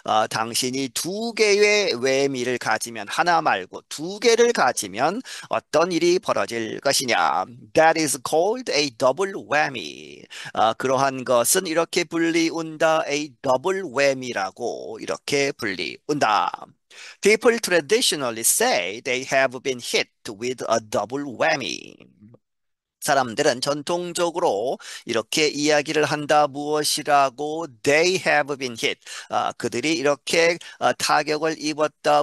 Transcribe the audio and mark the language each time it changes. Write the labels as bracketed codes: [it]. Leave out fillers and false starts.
[ko] 당신이 두 개의 whammy를 가지면 하나 말고 두 개를 가지면 어떤 일이 벌어질 것이냐? [en] That is called a double whammy. [ko] 그러한 것은 이렇게 불리운다. [en] A double whammy [ko] 라고 이렇게 불리운다. [en] People traditionally say they have been hit with a double whammy. [ko] 사람들은 전통적으로 이렇게 이야기를 한다. 무엇이라고? [en] They have been hit. [ko] 그들이 이렇게 타격을 입었다.